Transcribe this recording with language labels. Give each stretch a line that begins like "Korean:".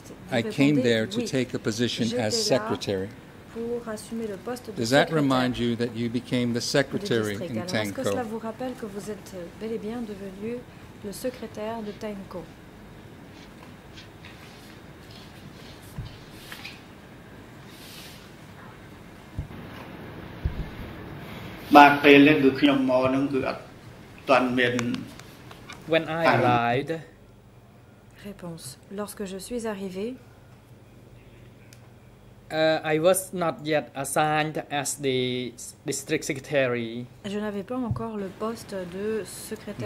English: I came there to take a position as secretary.
French: Pour assumer le poste de
English: Does that remind you that you became the secretary in Tenko?
French: Est-ce que cela vous rappelle que vous êtes bel et bien devenu le secrétaire de Tenko?
English: When I arrived,
French: réponse. Lorsque je suis arrivé.
English: I was not yet assigned as the district secretary.
French: Je n'avais pas encore le poste de secrétaire.